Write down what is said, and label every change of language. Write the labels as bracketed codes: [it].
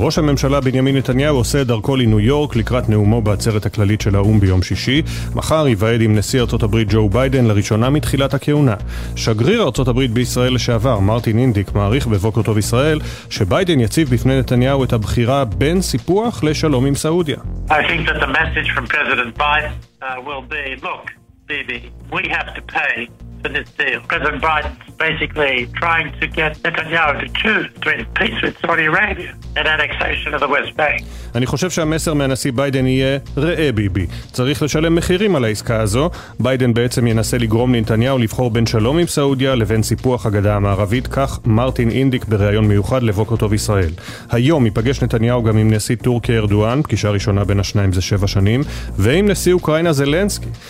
[he] ראש הממשלה בנימין נתניהו עושה דרכו לניו יורק לקראת נאומו בעצרת הכללית של האום ביום שישי. מחר יוועד עם נשיא ארצות הברית ג'ו ביידן לראשונה מתחילת הכהונה. שגריר ארצות הברית בישראל לשעבר, מרטין אינדיק, מעריך בבוקר טוב ישראל, שביידן יציב בפני נתניהו את הבחירה בין סיפוח לשלום עם סעודיה. [en] I think that the message from President Biden will be, look, baby, we have to pay. For this deal. President Biden's basically trying to get Netanyahu to choose between peace with Saudi Arabia and annexation of the West Bank. [he] אני חושב שהמסר מהנשיא ביידן יהיה ראה ביבי, צריך לשלם מחירים על העסקה הזו. ביידן בעצם ינסה לגרום לנתניהו לבחור בין שלום עם סעודיה לבין סיפוח הגדה המערבית, כך מרטין אינדיק בריאיון מיוחד לבוקר טוב ישראל. היום ייפגש נתניהו גם עם נשיא טורקיה ארדואן, פגישה ראשונה בין השניים זה 7 שנים, ועם נשיא אוקראינה זלנסקי.